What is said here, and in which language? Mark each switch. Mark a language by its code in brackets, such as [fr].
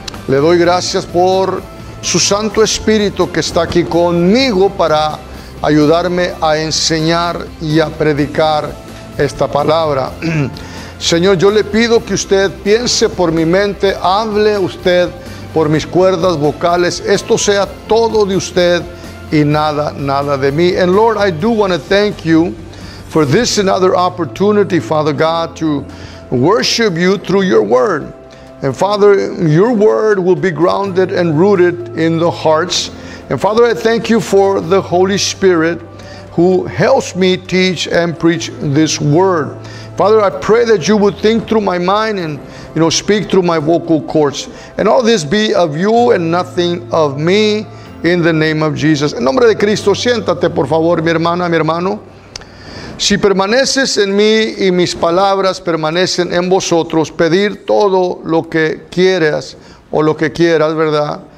[es] Le doy gracias por su Santo Espíritu que está aquí conmigo para ayudarme a enseñar y a predicar esta palabra. Señor, yo le pido que usted piense por mi mente, hable usted por mis cuerdas vocales. Esto sea todo de usted y nada de mí. [en] And Lord, I do want to thank you for this another opportunity, Father God, to worship you through your word. And Father, your word will be grounded and rooted in the hearts. And Father, I thank you for the Holy Spirit who helps me teach and preach this word. Father, I pray that you would think through my mind and, you know, speak through my vocal cords. And all this be of you and nothing of me. In the name of Jesus. [es] En nombre de Cristo, siéntate, por favor, mi hermana, mi hermano. Si permaneces en mí y mis palabras permanecen en vosotros, pedir todo lo que quieras o lo que quieras, ¿verdad?